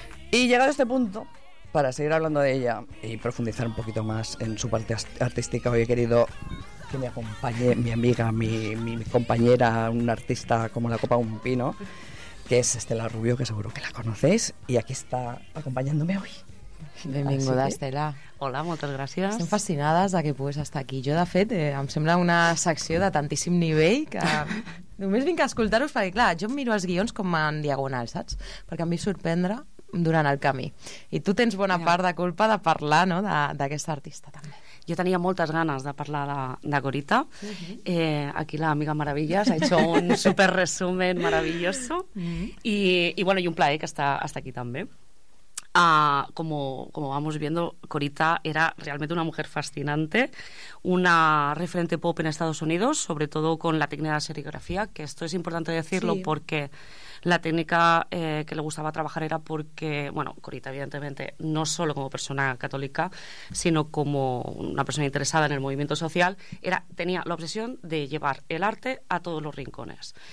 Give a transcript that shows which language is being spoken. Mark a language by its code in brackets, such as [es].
[es] Y llegado a este punto, para seguir hablando de ella y profundizar un poquito más en su parte artística, hoy he querido que me acompañe mi amiga, mi compañera, un artista como la copa de un pino, que es Estela Rubio, que seguro que la conocéis, y aquí está acompañándome hoy. [ca] Benvinguda, Estela. Hola, moltes gràcies. Estem fascinades de que pugues estar aquí. Jo, de fet, em sembla una secció de tantíssim nivell que només vinc a escoltar-vos perquè, clar, jo miro els guions com en diagonal, saps? Perquè em vull sorprendre durant el camí. I tu tens bona part de culpa de parlar, no?, d'aquesta artista, també. Jo tenia moltes ganes de parlar de Corita. Uh-huh. Aquí l'amiga Maravillas [es] ha hecho un super resumen maravilloso. [ca] Uh-huh. I bueno, y un plaer que està aquí també. [es] Como vamos viendo, Corita era realmente una mujer fascinante, una referente pop en Estados Unidos, sobre todo con la técnica de serigrafía, que esto es importante decirlo, sí, porque la técnica que le gustaba trabajar era porque, bueno, Corita evidentemente no solo como persona católica, sino como una persona interesada en el movimiento social, tenía la obsesión de llevar el arte a todos los rincones.